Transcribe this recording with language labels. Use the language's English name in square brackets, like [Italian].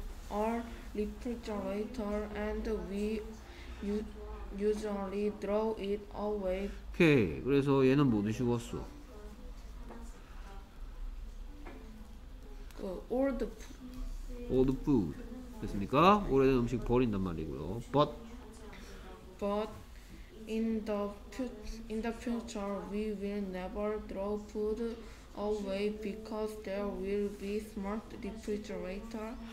[English] Our refrigerator and we usually throw it away. [Korean] 오케이, 그래서 얘는 뭐 드시고 왔어? [English] 그 old food. Old food. [Korean] 됐습니까? 오래된 음식 버린단 말이고요. [English] But. But in the future, we will never throw food away because there will be smart refrigerator.